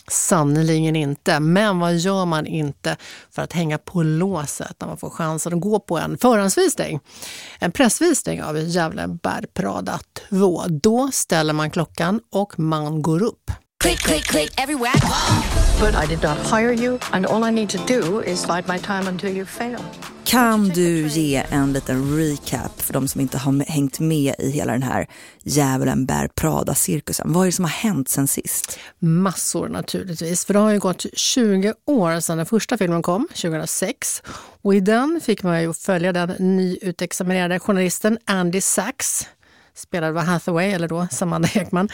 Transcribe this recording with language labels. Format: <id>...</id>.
<sv>Sannoliken inte. Men vad gör man inte för att hänga på låset när man får chansen att gå på en förhandsvisning? En pressvisning av Djävulen bär Prada 2. Då ställer man klockan och man går upp.</sv> <en>Click, click, click everywhere. But I did not hire you and all I need to do is bide my time until you fail.</en> <sv>Kan du ge en liten recap för de som inte har hängt med i hela den här Djävulen bär Prada-cirkusen? Vad är det som har hänt sen sist? Massor naturligtvis, för det har ju gått 20 år sedan den första filmen kom, 2006. Och i den fick man ju följa den nyutexaminerade journalisten Andy Sachs, spelad av Hathaway, eller då Samanda Ekman.</sv>